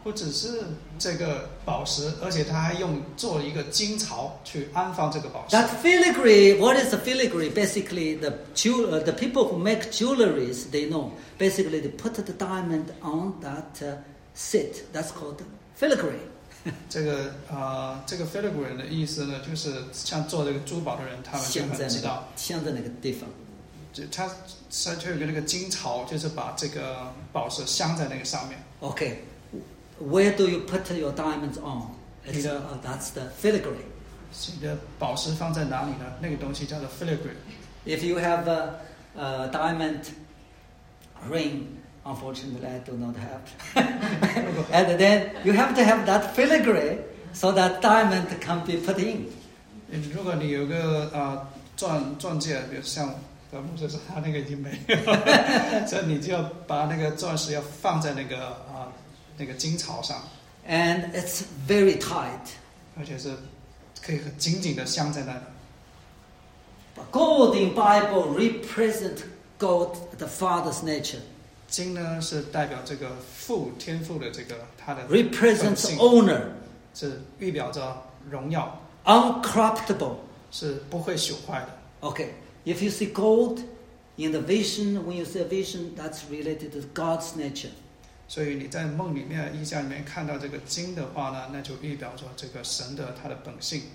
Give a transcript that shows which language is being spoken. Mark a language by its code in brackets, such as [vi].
[zh] 不只是这个宝石，而且他还用做一个金槽去安放这个宝石。 [en] That filigree, what is a filigree? Basically, the people who make jewelries, they know. Basically, they put the diamond on that set. That's called filigree. [zh] 这个 filigree 的意思呢，就是像做这个珠宝的人，他们就很知道镶在那个地方。它有个那个金槽，就是把这个宝石镶在那个上面。 [en] Okay, where do you put your diamonds on? That's the filigree. [zh] 你的宝石放在哪里呢？那个东西叫做 filigree. [en] If you have a diamond ring. Unfortunately, I do not have. And then you have to have that filigree so that diamond can be put in. [zh] 如果你有个钻戒，比如像牧师说他那个已经没有，所以你就要把那个钻石要放在那个金槽上。 [en] And it's very tight. [zh] 而且是可以很紧紧的镶在那里。 [en] But gold in Bible represents God, the Father's nature. [zh] 金呢是代表这个父天父的这个他的 [en] represents owner [zh] 是预表着荣耀 [en] uncorruptible [zh] 是不会朽坏的。 [en] Okay, if you see gold in the vision, when you see a vision, that's related to God's nature. [zh] 所以你在梦里面意象里面看到这个金的话呢，那就预表着这个神的他的本性。